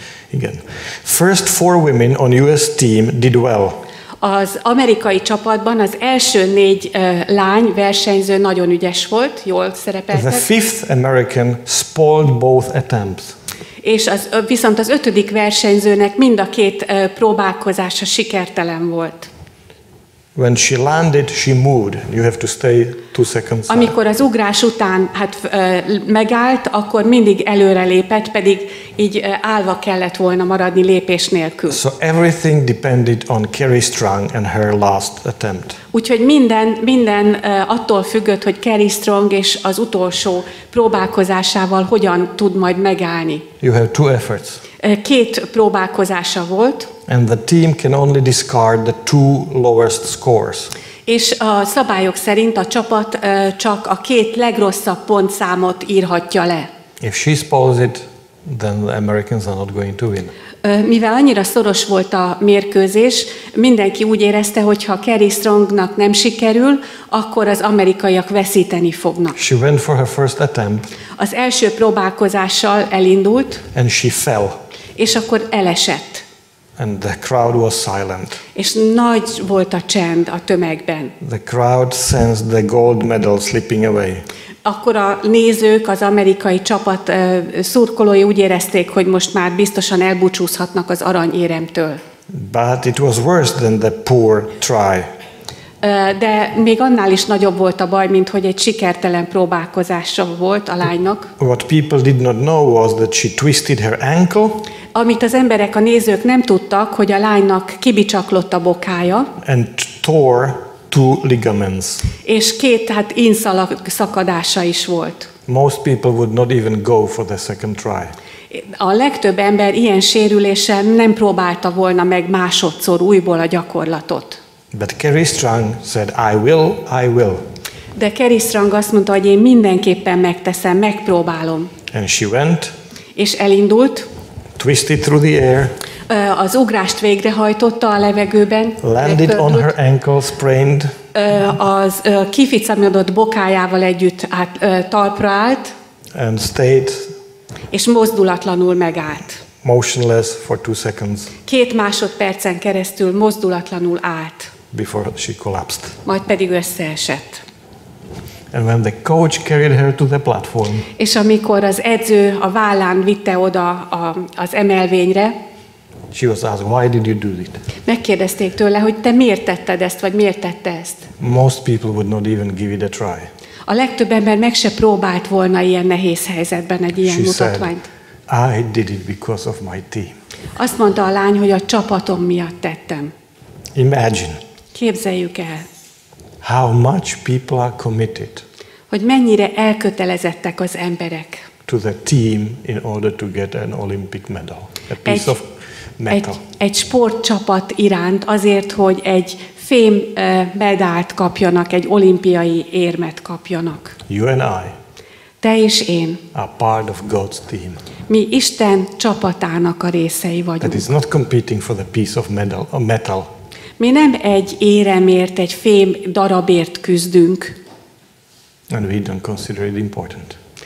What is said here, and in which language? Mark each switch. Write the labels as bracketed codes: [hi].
[hu] Igen. [en] First four women on US team did well. [hu] Az amerikai csapatban az első négy lány versenyző nagyon ügyes volt, jól szerepeltek. [en] The fifth American spoiled both attempts. [hu] És az, viszont az ötödik versenyzőnek mind a két próbálkozása sikertelen volt. [en] When she landed, she moved. You have to stay 2 seconds. [hu] Amikor az ugrás után hát megállt, akkor mindig előre lépett, pedig így állva kellett volna maradni lépés nélkül. [en] So everything depended on Kerry Strong and her last attempt. [hu] Úgyhogy minden attól függött, hogy Kerry Strong és az utolsó próbálkozásával hogyan tud majd megállni. [en] You have 2 efforts. [hu] Két próbálkozása volt. [en] And the team can only discard the 2 lowest scores. [hu] És a szabályok szerint a csapat csak a 2 legrosszabb pontszámot írhatja le. [en] If she spoils it, then the Americans are not going to win. [hu] mivel annyira szoros volt a mérkőzés, mindenki úgy érezte, hogy ha Kerry Strongnak nem sikerül, akkor az amerikaiak veszíteni fognak. [en] She went for her first attempt. [hu] Az első próbálkozással elindult. [en] And she fell. [hu] És akkor elesett. [en] And the crowd was silent. [hu] És nagy volt a csend a tömegben. [en] The crowd sensed the gold medal slipping away. [hu] Akkor a nézők, az amerikai csapat szurkolói úgy érezték, hogy most már biztosan elbúcsúzhatnak az aranyéremtől. [en] But it was worse than the poor try. [hu] De még annál is nagyobb volt a baj, mint hogy egy sikertelen próbálkozása volt a lánynak. [en] What people did not know was that she twisted her ankle. [hu] Amit az emberek, a nézők nem tudtak, hogy a lánynak kibicsaklott a bokája. [en] And tore two ligaments. [hu] És két, tehát inszakadása is volt. [en] Most people would not even go for the second try. [hu] A legtöbb ember ilyen sérüléssel nem próbálta volna meg másodszor újból a gyakorlatot. [en] But Kerry Strong said, I will. [hu] De Kerry Strong azt mondta, hogy én mindenképpen megteszem, megpróbálom. [en] And she went. [hu] És elindult. [en] Twisted through the air. [hu] Az ugrást végrehajtotta a levegőben. [en] Landed on her ankle, sprained. [hu] Az kificamodott bokájával együtt talpra állt. [en] And stayed. [hu] És mozdulatlanul megállt. [en] Motionless for 2 seconds. [hu] Két másodpercen keresztül mozdulatlanul állt. [en] Before she collapsed. [hu] Majd pedig összeesett. [en] And when the coach carried her to the platform. [hu] És amikor az edző a vállán vitte oda az emelvényre. [en] She was asked, why did you do it? [hu] Megkérdezték tőle, hogy te miért tetted ezt, vagy miért tette ezt. [en] Most people would not even give it a try. [hu] A legtöbb ember meg se próbált volna ilyen nehéz helyzetben egy ilyen [en] she [hu] mutatványt. [en] Said, I did it because of my team. [hu] Azt mondta a lány, hogy a csapatom miatt tettem. [en] Imagine. [hu] Képzeljük el. [en] How much people are committed. [hu] Hogy mennyire elkötelezettek az emberek. [en] To the team in order to get an Olympic medal. A piece of metal. [hu] Egy sportcsapat iránt azért, hogy egy fém medált kapjanak, egy olimpiai érmet kapjanak. [en] You and I. [hu] Te és én. [en] Are part of God's team. [hu] Mi Isten csapatának a részei vagyunk. [en] That is not competing for the piece of medal, a metal. [hu] Mi nem egy éremért, egy fém darabért küzdünk. [en] And we don't consider it important.